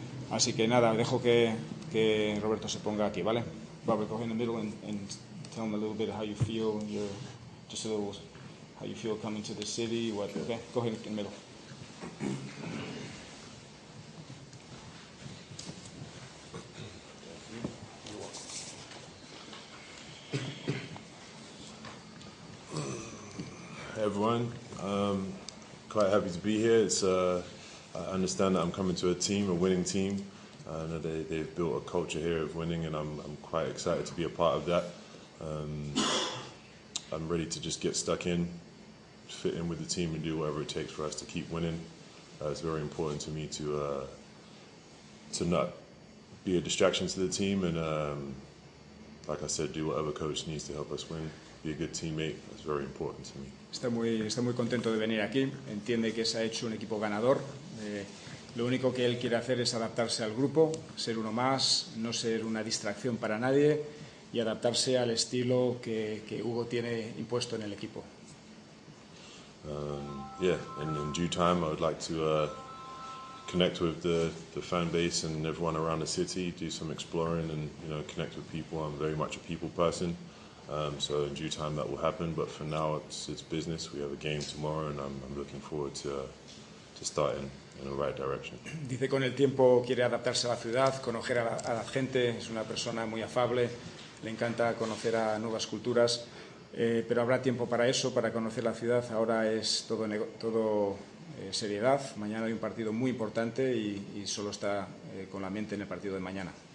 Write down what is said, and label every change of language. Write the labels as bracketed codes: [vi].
[es] Así que nada, dejo que Roberto se ponga aquí, ¿vale? [en] Robert, go in the middle and tell him a little bit how you feel, just a little how you feel coming to the city, what, okay? Go ahead in the middle. Everyone, quite happy to be here. I understand that I'm coming to a team, a winning team. I know they've built a culture here of winning, and I'm quite excited to be a part of that. I'm ready to just get stuck in, fit in with the team, and do whatever it takes for us to keep winning. It's very important to me to not be a distraction to the team, and like I said, do whatever coach needs to help us win. Be a good teammate. That's very important to me. [es] Está muy contento de venir aquí. Entiende que se ha hecho un equipo ganador. Lo único que él quiere hacer es adaptarse al grupo, ser uno más, no ser una distracción para nadie y adaptarse al estilo que Hugo tiene impuesto en el equipo. [en] In due time, I would like to connect with the fan base and everyone around the city, do some exploring and connect with people. I'm very much a people person. So in due time that will happen, but for now it's business. We have a game tomorrow and I'm looking forward to starting in the right direction. [es] Dice con el tiempo quiere adaptarse a la ciudad, conocer a la gente, es una persona muy afable, le encanta conocer a nuevas culturas, pero habrá tiempo para eso, para conocer la ciudad. Ahora es todo seriedad. Mañana hay un partido muy importante y solo está con la mente en el partido de mañana.